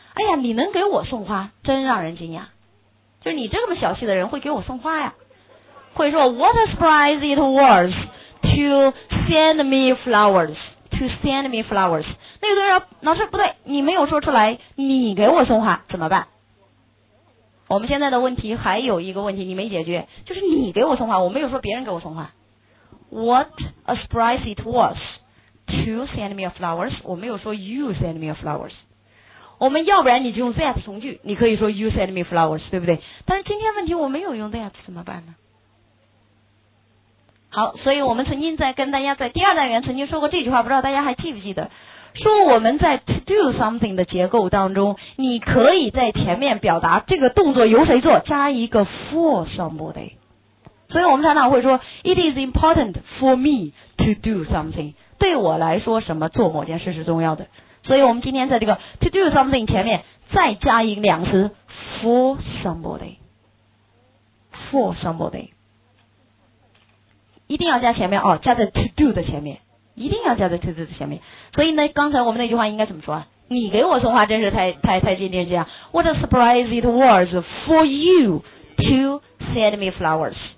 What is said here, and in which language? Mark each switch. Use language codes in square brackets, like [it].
[zh] 哎呀，你能给我送花真让人惊讶，就是你这么小气的人会给我送花呀，会说 [en] what a surprise it was to send me flowers， [zh] to send me flowers。那个同学说老师不对，你没有说出来你给我送花怎么办？我们现在的问题还有一个问题你没解决，就是你给我送花，我没有说别人给我送花。 [en] What a surprise it was to send me a flowers， [zh] 我没有说 [en] you send me a flowers。 [zh] 我们要不然你就用 that 从句，你可以说 [en] you send me flowers， [zh] 对不对？但是今天问题我没有用 that 怎么办呢？好，所以我们曾经在跟大家在第二单元曾经说过这句话，不知道大家还记不记得，说我们在 [en] to do something [zh] 的结构当中，你可以在前面表达这个动作由谁做加一个 [en] for somebody。 [zh] 所以我们常常会说 [en] it is important for me to do something， [zh] 对我来说什么做某件事是重要的。所以我们今天在这个 [en] to do something [zh] 前面再加一个两词 [en] for somebody， for somebody [zh] 一定要加前面哦，加在 [en] to do [zh] 的前面，一定要加在 to do 的前面。所以呢，刚才我们那句话应该怎么说啊？你给我送花真是太经典这样。 [en] What a surprise it was for you to send me flowers.